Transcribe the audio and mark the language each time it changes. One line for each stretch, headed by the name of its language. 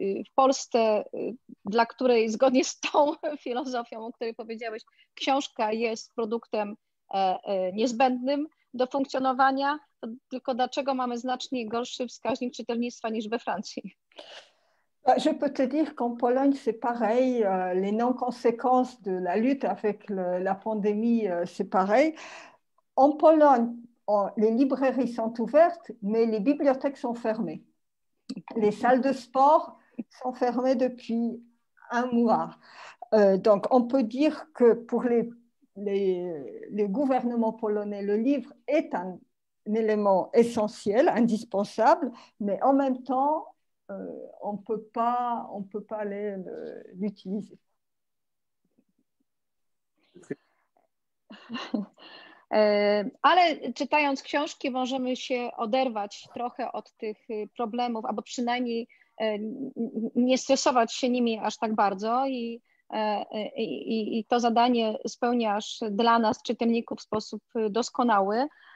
Polish: w Polsce, dla której zgodnie z tą filozofią, o której powiedziałeś, książka jest produktem niezbędnym do funkcjonowania, to tylko dlaczego mamy znacznie gorszy wskaźnik czytelnictwa niż we Francji?
French: Je peux te dire qu'en Pologne, c'est pareil. Les non-conséquences de la lutte avec la pandémie, c'est pareil. En Pologne, les librairies sont ouvertes, mais les bibliothèques sont fermées. Les salles de sport sont fermées depuis un mois. Donc, on peut dire que pour les gouvernements polonais, le livre est un élément essentiel, indispensable, mais en même temps, on peut pas l'utiliser.
Polish: Ale czytając książki możemy się oderwać trochę od tych problemów, albo przynajmniej nie stresować się nimi aż tak bardzo i i to zadanie spełniasz dla nas, czytelników, w sposób doskonały.